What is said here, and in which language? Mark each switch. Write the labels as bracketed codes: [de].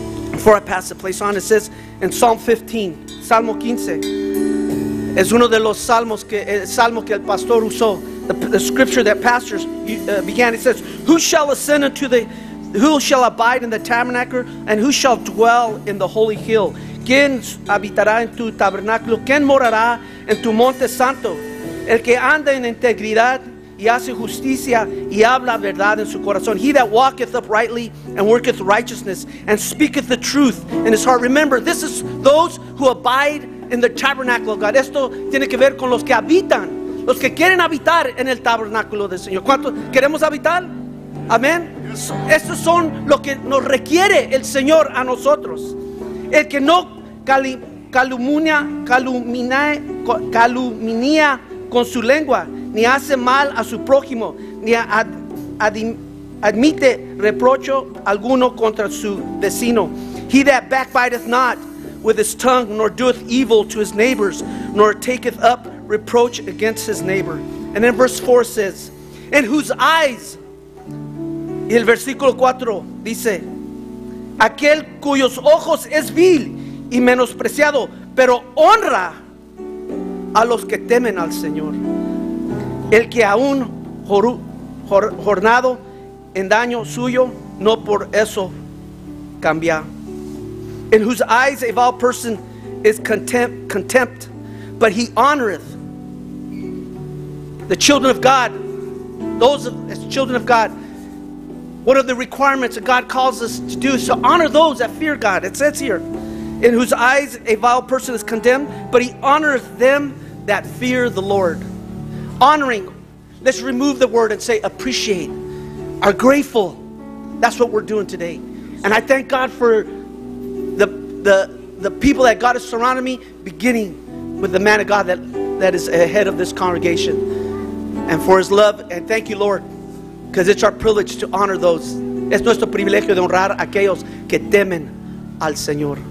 [en] Before I pass the place on, it says in Psalm 15, Salmo 15. [es] Es uno de los salmos que el salmo que el pastor usó, [en] the scripture that pastors began. It says, "Who shall ascend into the, who shall abide in the tabernacle, and who shall dwell in the holy hill? [es] ¿Quién habitará en tu tabernáculo? ¿Quién morará en tu monte santo? El que anda en integridad y hace justicia y habla verdad en su corazón. [en] He that walketh uprightly and worketh righteousness and speaketh the truth in his heart." Remember, this is those who abide in the tabernacle of God. [es] Esto tiene que ver con los que habitan, los que quieren habitar en el tabernáculo del Señor. ¿Cuántos queremos habitar? Amén. Estos son lo que nos requiere el Señor a nosotros. El que no calumnia con su lengua, ni hace mal a su prójimo, ni admite reprocho alguno contra su vecino. [en] He that backbiteth not with his tongue, nor doeth evil to his neighbors, nor taketh up reproach against his neighbor. And then verse 4 says, in whose eyes [es] Y el versículo 4 dice: aquel cuyos ojos es vil y menospreciado, pero honra a los que temen al Señor. El que aún jornado en daño suyo, no por eso cambia. [en] In whose eyes a vile person is contempt, but he honoreth the children of God. Those as children of God, what are the requirements that God calls us to do? So honor those that fear God. It says here, in whose eyes a vile person is condemned, but he honoreth them that fear the Lord. Honoring, let's remove the word and say appreciate, are grateful. That's what we're doing today. And I thank God for the people that God has surrounded me, beginning with the man of God that is ahead of this congregation, and for his love. And thank you, Lord, because it's our privilege to honor those. [es] Es nuestro privilegio de honrar a aquellos que temen al Señor.